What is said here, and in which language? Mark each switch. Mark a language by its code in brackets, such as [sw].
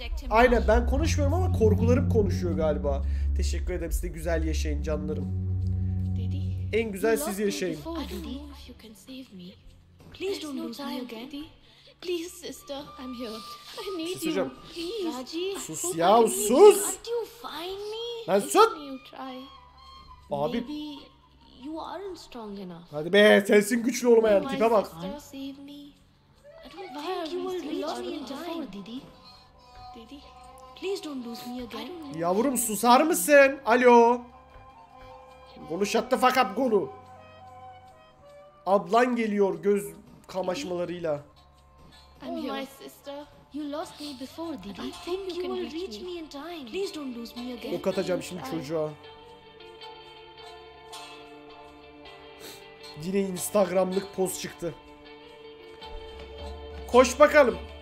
[tr] Aynen ben konuşmuyorum ama korkularım konuşuyor galiba. Teşekkür ederim size, güzel yaşayın canlarım. En güzel siz yaşayın. [en] Please don't lose me again. Please, sister, I'm here. I need [tr] sus [en] you. Please. [tr] Raji, sus ya, sus. [en] Can you find me? [tr] Ben sus. Abi. [en] Maybe you aren't strong enough. [tr] Hadi be, sensin güçlü olmayan tipe bak. [en] Sister, save me. I don't think you will reach me in time. Didi. Didi. Please don't lose me again. [tr] Yavrum susar mısın? Alo. Golu [en] shut the fuck up, [tr] Golu. Ablan geliyor göz kamaşmalarıyla. [en] I'm here. My sister, you lost me before, Didi. I think you will reach me in time. Please don't lose me again. [tr] Ok atacağım şimdi çocuğa. Yine Instagram'lık post çıktı. Koş bakalım.